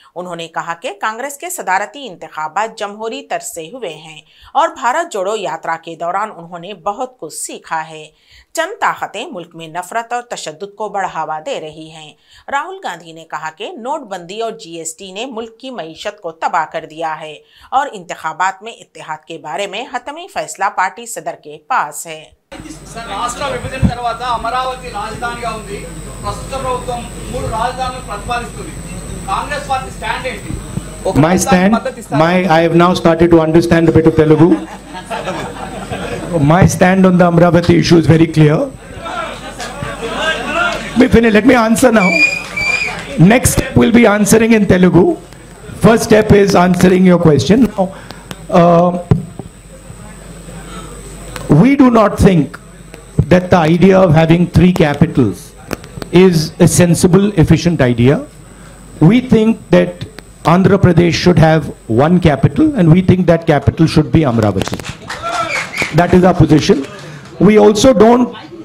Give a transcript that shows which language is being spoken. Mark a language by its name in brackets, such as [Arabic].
[Hindi] उन्होंने कहा कि कांग्रेस के सदारती इंतखाबात जमहूरी तर्ज से हुए हैं और भारत जोड़ो यात्रा के दौरान उन्होंने बहुत कुछ सीखा है। चंद ताकतें मुल्क में नफरत और तशद्दुद को बढ़ावा दे रही हैं। राहुल गांधी ने कहा कि नोटबंदी और GST ने मुल्क की मईशत को तबाह कर दिया है और इंतखाबात में इत्तेहाद के बारे में हतमी फैसला पार्टी सदर के पास है। [Telugu] राष्ट्र విభజన తర్వాత అమరావతి రాజధానిగా ఉంది. ప్రస్తుత ప్రభుత్వం 3 రాజధానులను ప్రతిపాదిస్తుంది. కాంగ్రెస్ పార్టీ స్టాండ్ ఏంటి? [English] My stand my I have now started to understand bit of Telugu. My stand on the Amaravati issue is very clear. Me finish let me answer now. Next step will be answering in Telugu. First step is answering your question. We do not think that the idea of having 3 capitals is a sensible, efficient idea. We think that Andhra Pradesh should have 1 capital, and we think that capital should be Amravati. That is our position. We also don't.